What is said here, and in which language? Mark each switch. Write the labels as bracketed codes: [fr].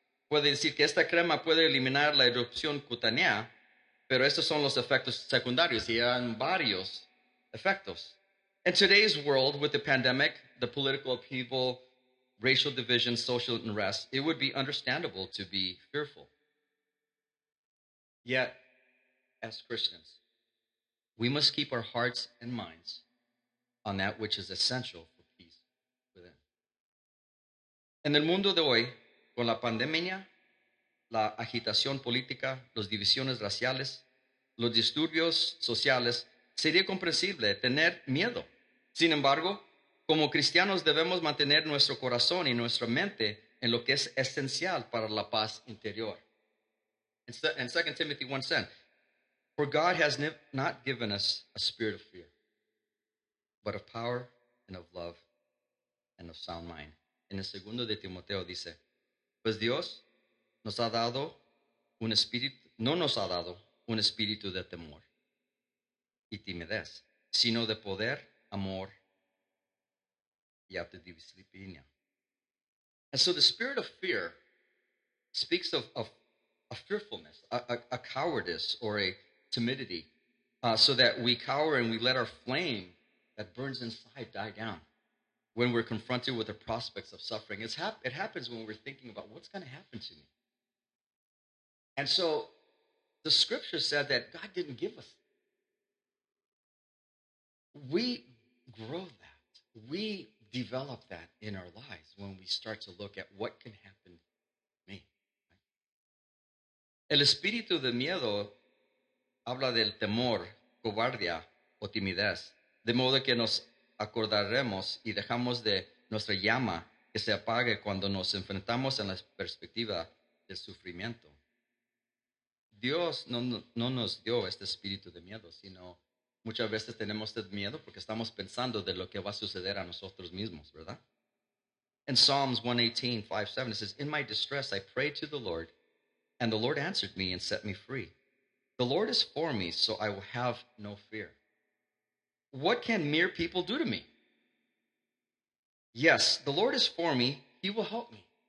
[es] Puede decir que esta crema puede eliminar la erupción cutánea, pero estos son los efectos secundarios, y hay varios efectos. [en] In today's world, with the pandemic, the political upheaval, racial division, social unrest, it would be understandable to be fearful. Yet, as Christians, we must keep our hearts and minds on that which is essential for peace within. [es] En el mundo de hoy, con la pandemia, la agitación política, las divisiones raciales, los disturbios sociales, sería comprensible tener miedo. Sin embargo, como cristianos debemos mantener nuestro corazón y nuestra mente en lo que es esencial para la paz interior. [en] En 2 Timothy 1:10, "For God has not given us a spirit of fear, but of power and of love and of sound mind." [es] En el 2 Timoteo dice, "Pues Dios nos ha dado un espíritu, no nos ha dado un espíritu de temor y timidez, sino de poder, amor y autodisciplina." [en] And so the spirit of fear speaks of a fearfulness, a cowardice or a timidity, so that we cower and we let our flame that burns inside die down when we're confronted with the prospects of suffering. It happens when we're thinking about what's going to happen to me. And so the scripture said that God didn't give us. We grow that. We develop that in our lives when we start to look at what can happen to me. [es] El espíritu de miedo habla del temor, cobardía o timidez, de modo que nos acordaremos y dejamos de nuestra llama que se apague cuando nos enfrentamos en la perspectiva del sufrimiento. Dios no nos dio este espíritu de miedo, sino muchas veces tenemos este miedo porque estamos pensando de lo que va a suceder a nosotros mismos, ¿verdad? [en] En Psalms 118, 5-7, it says, "In my distress I prayed to the Lord, and the Lord answered me and set me free. The Lord is for me, so I will have no fear. What can mere people do to me? Yes, the Lord is for me. He will help me."